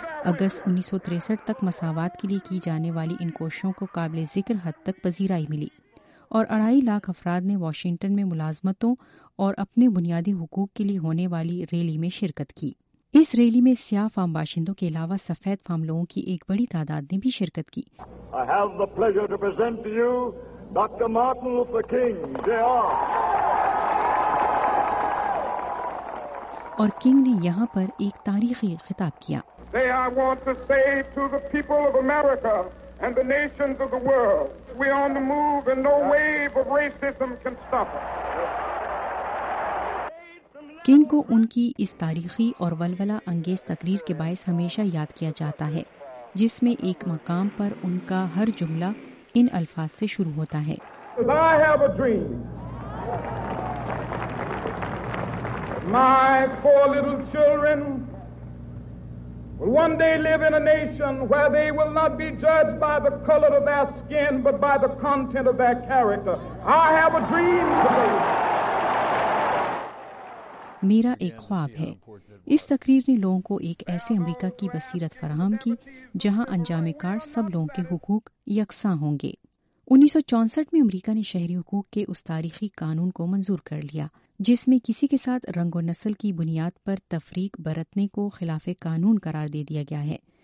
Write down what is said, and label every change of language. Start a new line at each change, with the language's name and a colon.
Urdu: اگست 1963 تک مساوات کے لیے کی جانے والی ان کوششوں کو قابل ذکر حد تک پذیرائی ملی اور 2.5 لاکھ افراد نے واشنگٹن میں ملازمتوں اور اپنے بنیادی حقوق کے لیے ہونے والی ریلی میں شرکت کی۔ اس ریلی میں سیاہ فام باشندوں کے علاوہ سفید فام لوگوں کی ایک بڑی تعداد نے بھی شرکت کی۔
English: I have the pleasure to present to you Dr. Martin Luther King Jr.
Urdu: اور کنگ نے یہاں پر ایک تاریخی خطاب کیا۔
English: Today I want to say to the people of America and the nations of the world, we are on the move and no wave of racism can stop us.
Urdu: King کو ان کی اس تاریخی اور ولولہ انگیز تقریر کے باعث ہمیشہ یاد کیا جاتا ہے، جس میں ایک مقام پر ان کا ہر جملہ ان الفاظ سے شروع ہوتا ہے۔
English: I have a dream. My four little children will one day live in a nation where they will not be judged by the color of their skin but by the content of their character. I have a dream today.
Urdu: میرا ایک خواب ہے۔ اس تقریر نے لوگوں کو ایک ایسے امریکہ کی بصیرت فراہم کی جہاں انجام کار سب لوگوں کے حقوق یکساں ہوں گے۔ 1964 میں امریکہ نے شہری حقوق کے اس تاریخی قانون کو منظور کر لیا جس میں کسی کے ساتھ رنگ و نسل کی بنیاد پر تفریق برتنے کو خلاف قانون قرار دے دیا گیا ہے۔